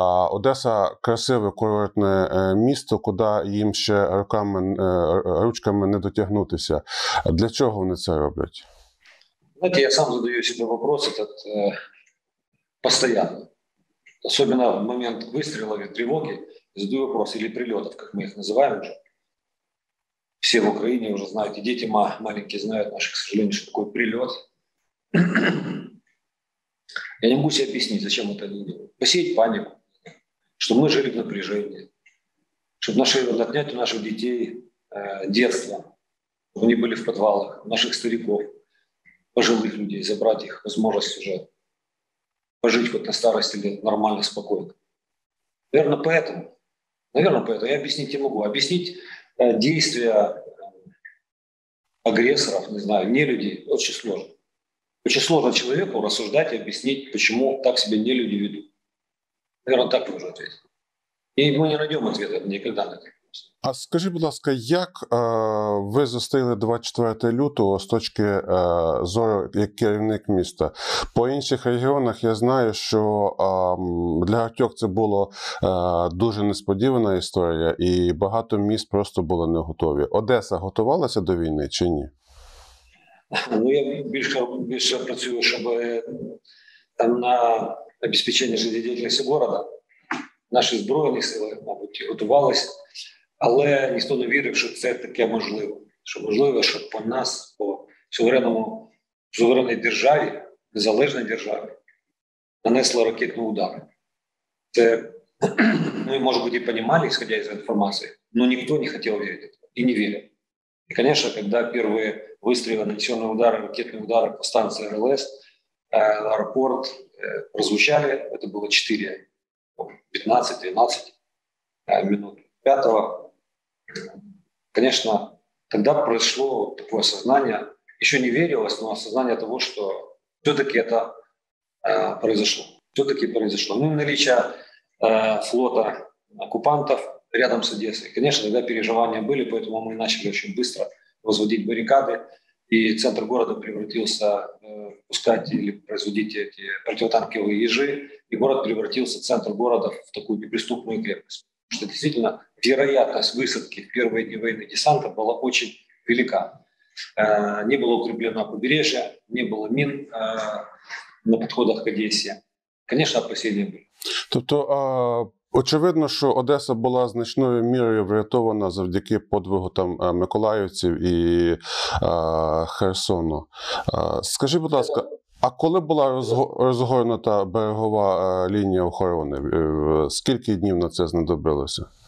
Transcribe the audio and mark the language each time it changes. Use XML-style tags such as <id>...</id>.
<uk>Одеса – красиве курортне місто, куди їм ще ручками не дотягнутися. Для чого вони це роблять? Знаєте, я сам задаю собі питання постійно. Особливо в момент вистрілу від тривоги.</uk> <ru>Задаю вопрос, или прильотов, как мы их называем уже. Все в Украине уже знают, и дети маленькие знают наши, к сожалению, что такое прилет. Я не могу себе объяснить, зачем это они делают. Посеять панику, чтобы мы жили в напряжении, чтобы отнять у наших детей детство, чтобы они были в подвалах, наших стариков, пожилых людей, забрать их возможность уже пожить вот на старости лет нормально, спокойно. Наверное, поэтому. Наверное, поэтому я объяснить не могу. Объяснить действия агрессоров, не знаю, нелюдей, очень сложно. Очень сложно человеку рассуждать и объяснить, почему так себя нелюди ведут. Наверное, так можно ответить. И мы не найдем ответа никогда на это.</ru> <uk>А скажи, будь ласка, як ви зустріли 24 лютого з точки зору як керівник міста? По інших регіонах я знаю, що для Артьок це була дуже несподівана історія, і багато міст просто були не готові. Одеса готувалася до війни чи ні? Ну, я більше працюю, щоб на забезпечення життєдіяльності міста наші збройні сили, мабуть, готувалися. Але ніхто не вірив, що це таке можливо. Що можливо, щоб по нас, по суверенному, суверенній державі, незалежній державі, нанесли ракетні удари. Це, ну і, може бути, і розуміли, ісходячи з інформації, але ніхто не хотів вірити і не вірив. І, звісно, коли перші вистріли, нанесені удари, ракетні удари по станції РЛС, аеропорт прозвучали, це було 4-15-12 минут.</uk> <ru>5-го, конечно, тогда произошло такое осознание, еще не верилось, но осознание того, что все-таки это произошло. Все-таки произошло. Ну и наличие флота оккупантов рядом с Одессой. Конечно, тогда переживания были, поэтому мы начали очень быстро возводить баррикады, и центр города превратился пускать или производить эти противотанковые ежи, и город превратился, центр города, в такую неприступную крепость. Потому что действительно вероятность высадки в первые дни войны десанта была очень велика. Не было укреплено побережье, не было мин на подходах к Одессе. Конечно, опасения были.</ru> <uk>Тобто, очевидно, що Одеса була значною мірою врятована завдяки подвигу там миколаївців і Херсону. Скажи, будь ласка, а коли була розгорнута берегова лінія охорони, скільки днів на це знадобилося?</uk>